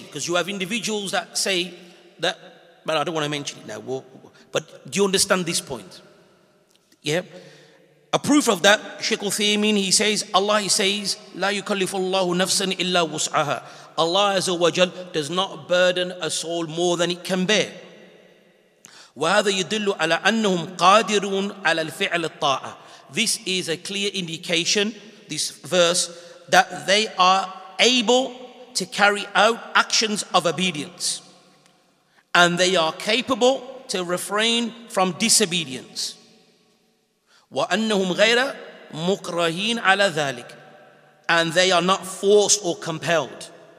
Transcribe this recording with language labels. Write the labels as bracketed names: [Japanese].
[English] Because you have individuals that say that, but I don't want to mention it now, but do you understand this point? Yeah? A proof of that, Sheikh Uthaymeen, he says, Allah, he says, [Arabic] لا يكلف الله نفسا إلا وسعها. [English] Allah Azza wa Jal does not burden a soul more than it can bear. [Arabic] وهذا يدل على أنهم قادرون على الفعل الطاعة. [English] This is a clear indication, this verse, that they are able to carry out actions of obedience. And they are capable to refrain from disobedience. [Arabic] وَأَنَّهُمْ غَيْرَ مُقْرَهِينَ عَلَى ذَلِكَ, [English] and they are not forced or compelled.